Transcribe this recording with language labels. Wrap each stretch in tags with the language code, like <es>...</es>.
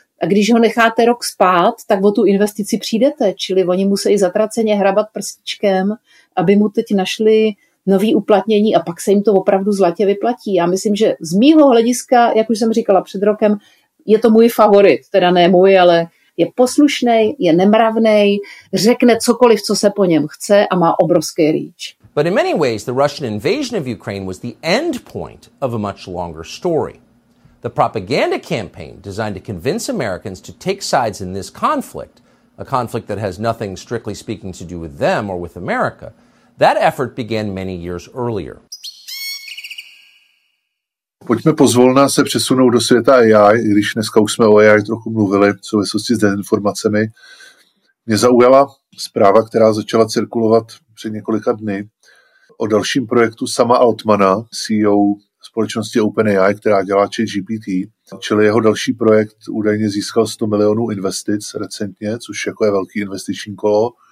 <cs>A když ho necháte rok spát, tak o tu investici přijdete, čili oni musí zatraceně hrabat prstičkem, aby mu teď našli nový uplatnění a pak se jim to opravdu zlatě vyplatí. Já myslím, že z mýho hlediska, jak už jsem říkala před rokem, je to můj favorit, teda ne můj, ale je poslušný, je nemravný, řekne cokoliv, co se po něm chce a má obrovský reach.</cs> <en>But in many ways, the Russian invasion of Ukraine was the end point of a much longer story. The propaganda campaign designed to convince Americans to take sides in this conflict, a conflict that has nothing strictly speaking to do with them or with America, that effort began many years earlier.</en> <cs>Pojďme pozvolna se přesunout do světa AI, i když dneska už jsme o AI trochu mluvili v souvislosti s dezinformacemi. Mě zaujala zpráva, která začala cirkulovat před několika dny o dalším projektu Sama Altmana, CEO společnosti OpenAI, která dělá ChatGPT, čili jeho další projekt údajně získal 100 milionů investic recentně, což jako je velký investiční kolo.</cs>